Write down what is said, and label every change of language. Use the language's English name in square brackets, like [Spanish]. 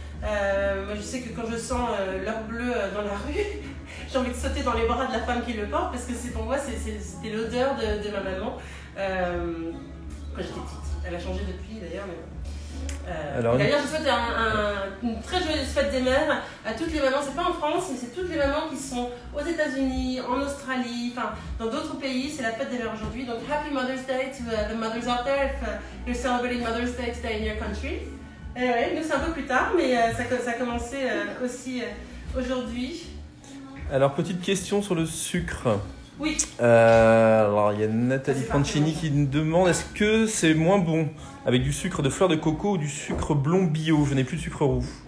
[French] Moi, je sais que quand je sens l'heure bleue dans la rue, j'ai envie de sauter dans les bras de la femme qui le porte parce que c'est, pour moi, c'était l'odeur de ma maman. Quand j'étais petite. Elle a changé depuis d'ailleurs. Mais... alors, d'ailleurs, je souhaite une très joyeuse fête des mères à toutes les mamans. C'est pas en France, mais c'est toutes les mamans qui sont aux États-Unis, en Australie, enfin dans d'autres pays. C'est la fête des mères aujourd'hui. Donc, [English] Happy Mother's Day to the mothers out there if you're celebrating Mother's Day today in your country. [French] Et ouais, nous, c'est un peu plus tard, mais ça a commencé aussi aujourd'hui. Alors, petite question sur le sucre. Oui. Alors, il y a Nathalie Franchini qui nous demande est-ce que c'est moins bon avec du sucre de fleur de coco ou du sucre blond bio? Je n'ai plus de sucre roux.